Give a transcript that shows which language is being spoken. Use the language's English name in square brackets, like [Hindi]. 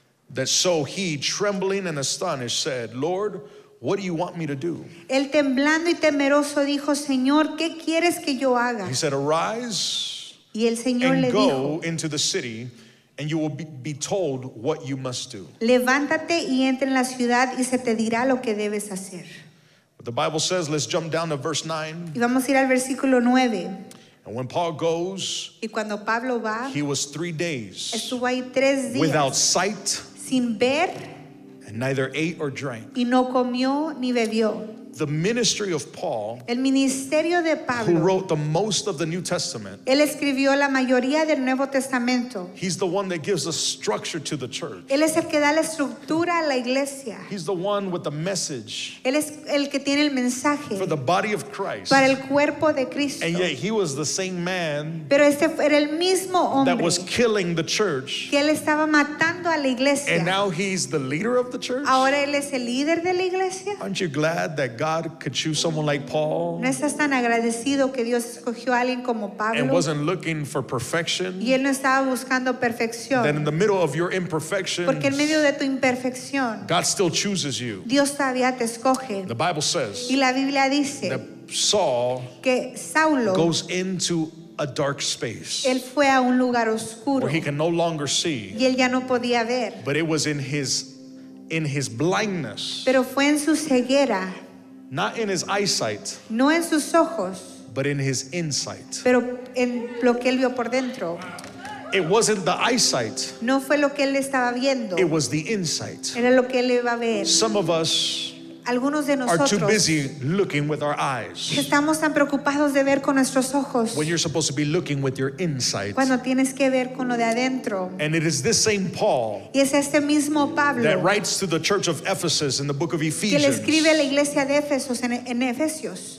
[English] that so he, trembling and astonished, said, Lord, what do you want me to do? [Spanish] Él temblando y temeroso dijo, Señor, ¿qué quieres que yo haga? [English] He said, arise [Spanish] y el Señor [English] and [Spanish] le [English] go [Spanish] dijo, [English] into the city, and you will be told what you must do. [Spanish] Levántate y entra en la ciudad y se te dirá lo que debes hacer. [English] But the Bible says, let's jump down to verse 9. [Spanish] Y vamos a ir al versículo 9. [English] And when Paul goes, [Spanish] y cuando Pablo va, [English] he was 3 days [Spanish] estuvo ahí 3 días [English] without sight, [Spanish] sin ver, [English] and neither ate or drank. [Spanish] Y no comió ni bebió. [English] The ministry of Paul, [Spanish] el ministerio de Pablo, [English] who wrote the most of the New Testament, [Spanish] él escribió la mayoría del Nuevo Testamento. [English] He's the one that gives a structure to the church. [Spanish] Él es el que da la estructura a la iglesia. [English] He's the one with the message. [Spanish] Él es el que tiene el mensaje [English] for the body of Christ. [Spanish] Para el cuerpo de Cristo. [English] And yet he was the same man, [Spanish] pero este era el mismo hombre, [English] that was killing the church. [Spanish] Que él estaba matando a la iglesia. [English] And now he's the leader of the church. [Spanish] Ahora él es el líder de la iglesia. [English] Aren't you glad that God could choose someone like Paul? [Spanish] ¿No estás tan agradecido que Dios escogió a alguien como Pablo? [English] And wasn't looking for perfection. [Spanish] Y él no estaba buscando perfección. [English] Then in the middle of your imperfections, [Spanish] porque en medio de tu imperfección, [English] God still chooses you. [Spanish] Dios todavía te escoge. [English] The Bible says, [Spanish] y la Biblia dice, [English] that Saul, [Spanish] que Saulo, [English] goes into a dark space. [Spanish] Él fue a un lugar oscuro, [English] where he can no longer see. [Spanish] Y él ya no podía ver. [English] But it was in his blindness. [Spanish] Pero fue en su ceguera. [English] Not in his eyesight, [Spanish] no en sus ojos, [English] but in his insight. [Spanish] Pero en lo que él vio por dentro. [English] It wasn't the eyesight, [Spanish] no fue lo que él estaba viendo. [English] It was the insight. [Spanish] Era lo que él iba a ver. [English] Some of us, [Spanish] algunos de nosotros, [English] are too busy looking with our eyes. [Spanish] Estamos tan preocupados de ver con nuestros ojos. [English] When you're supposed to be looking with your insight. [Spanish] Cuando tienes que ver con lo de adentro. [English] And it is this same Paul. [Spanish] Y es este mismo Pablo. [English] That writes to the church of Ephesus in the book of Ephesians. [Spanish] Que le escribe a la iglesia de Éfesos en Efesios.